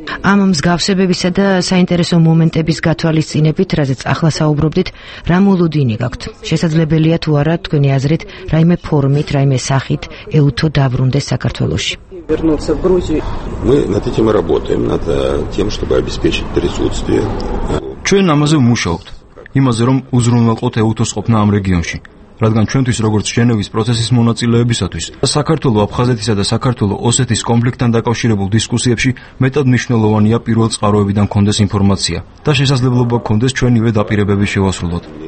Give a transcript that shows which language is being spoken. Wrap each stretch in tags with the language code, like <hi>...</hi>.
<ka>ამ მსგავსებებისა და საინტერესო მომენტების გათვალისწინებით, რაზეც ახლა საუბრობდით, რა მოლოდინი გაქვთ? შესაძლებელია თუ არა თქვენი აზრით, რაიმე ფორმით, რაიმე სახით ეუთო დაბრუნდეს საქართველოში?</ka> <ru>Вернуться в Грузию. Мы над этим работаем, над тем, чтобы обеспечить присутствие.</ru> <ka>Ჩვენ ამაზე ვმუშაობთ. იმაზე, რომ უზრუნველყოთ ეუთოს ყოფნა ამ რეგიონში, რადგან ჩვენთვის, როგორც ჟენევის პროცესის მონაწილეებისათვის, საქართველოს აფხაზეთისა და საქართველოს ოსეთის კონფლიქტთან დაკავშირებულ დისკუსიებში მეტად მნიშვნელოვანია პირველ წყაროებიდან კონდეს ინფორმაცია და შესაძლებლობა კონდეს ჩვენივე დაპირებების შევასრულოთ.</ka>